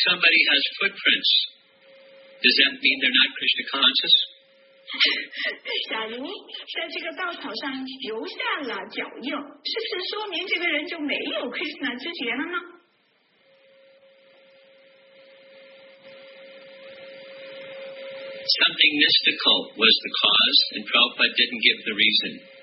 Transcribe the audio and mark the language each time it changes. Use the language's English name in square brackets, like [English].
[English] somebody has footprints, does that mean they're not Krishna conscious? [Chinese] 小林在这个稻草上留下了脚印，是不是说明这个人就没有 Krishna 知觉了吗？ [English] Something mystical was the cause, and Prabhupada didn't give the reason.